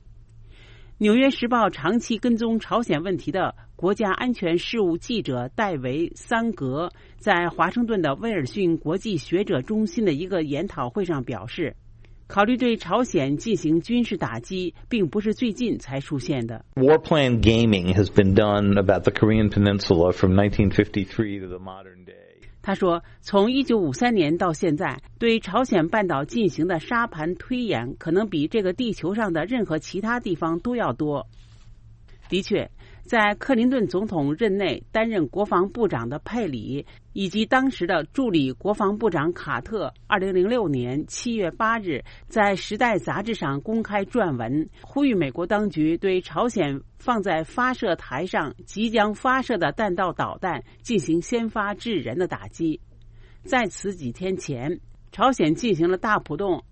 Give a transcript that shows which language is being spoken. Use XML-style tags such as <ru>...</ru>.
<zh>《纽约时报》长期跟踪朝鲜问题的国家安全事务记者戴维·桑格在华盛顿的威尔逊国际学者中心的一个研讨会上表示，考虑对朝鲜进行军事打击并不是最近才出现的。</zh> <en>War plan gaming has been done about the Korean Peninsula from 1953 to the modern day.</en> <zh>他说，从1953年到现在，对朝鲜半岛进行的沙盘推演可能比这个地球上的任何其他地方都要多。的确，在克林顿总统任内担任国防部长的佩里以及当时的助理国防部长卡特2006年7月8日在《时代》杂志上公开撰文，呼吁美国当局对朝鲜放在发射台上即将发射的弹道导弹进行先发制人的打击。在此几天前，朝鲜进行了大浦洞</zh>